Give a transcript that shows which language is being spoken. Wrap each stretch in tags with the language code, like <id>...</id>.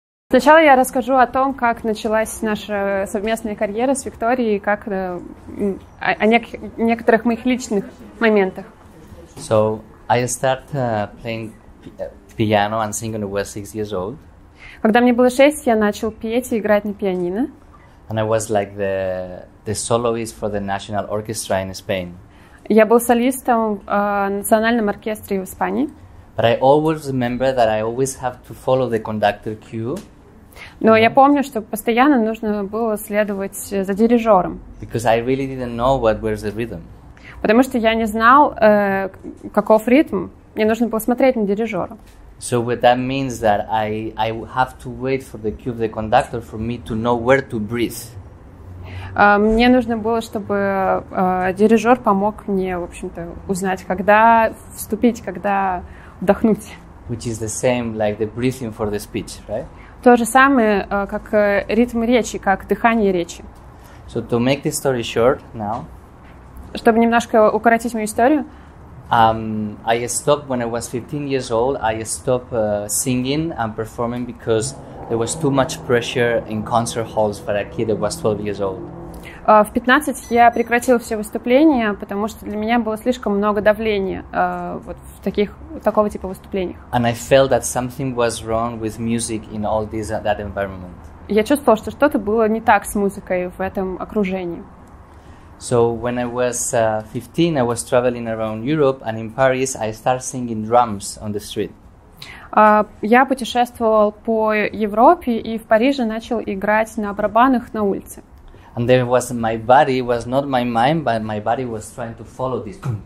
<ru>Сначала я расскажу о том, как началась наша совместная карьера с Викторией, как о некоторых моих личных моментах.</ru> <en>So I started playing piano and singing when I was 6 years old.</en> <ru>Когда мне было 6, я начал петь и играть на пианино.</ru> <en>And I was like the soloist for the national orchestra in Spain.</en> <ru>Я был солистом в национальном оркестре в Испании.</ru> <en>But I always remember that I always have to follow the conductor cue.</en> <ru>Но я помню, что постоянно нужно было следовать за дирижером.</ru> <en>Because I really didn't know what was the rhythm.</en> <ru>Потому что я не знал, каков ритм. Мне нужно было смотреть на дирижера.</ru> <en>So what that means that I have to wait for the cue of the conductor for me to know where to breathe.</en> <ru>Мне нужно было, чтобы дирижер помог мне, в общем-то, узнать, когда вступить, когда вдохнуть.</ru> <en>Which is the same like the breathing for the speech, right?</en> <ru>То же самое, как ритм речи, как дыхание речи.</ru> <en>So to make this story short now.</en> <ru>Чтобы немножко укоротить мою историю.</ru> <en>I stopped when I was 15 years old. I stopped singing and performing because there was too much pressure in concert halls for a kid that was 12 years old.</en> <ru>В 15 я прекратил все выступления, потому что для меня было слишком много давления вот в таких такого типа выступлениях.</ru> <en>And I felt that something was wrong with music in all this that environment.</en> <ru>Я чувствовал, что что-то было не так с музыкой в этом окружении.</ru> <en>So when I was 15, I was traveling around Europe, and in Paris, I started singing drums on the street.</en> <ru>Я путешествовал по Европе и в Париже начал играть на барабанах на улице.</ru> <en>And then it was my body, it was not my mind, but my body was trying to follow this.</en>